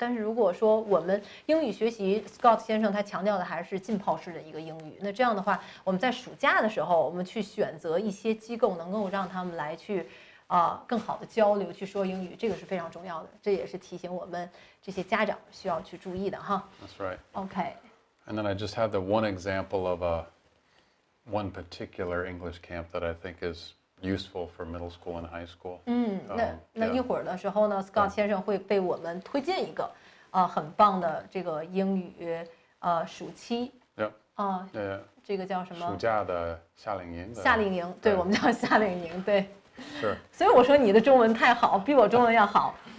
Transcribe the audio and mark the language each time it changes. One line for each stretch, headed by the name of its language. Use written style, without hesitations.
Chinese: 但是如果说我们英语学习 ，Scott 先生他强调的还是浸泡式的一个英语，那这样的话，我们在暑假的时候，我们去选择一些机构，能够让他们来去。更好的交流去说英语，这个是非常重要的，这也是提醒我们这些家长需要去注意的哈。
English: That's right. Okay. And then I just had the one example of one particular English camp that I think is useful for middle school and high school.
Chinese: 那一会儿的时候呢 ，Scott 先生会被我们推荐一个很棒的这个英语暑期。
English: Yep.
Chinese: 这个叫什么？暑假的夏令营。夏令营，对，我们叫夏令营，对。
English: Sure.
Chinese: 所以我说你的中文太好，比我中文要好。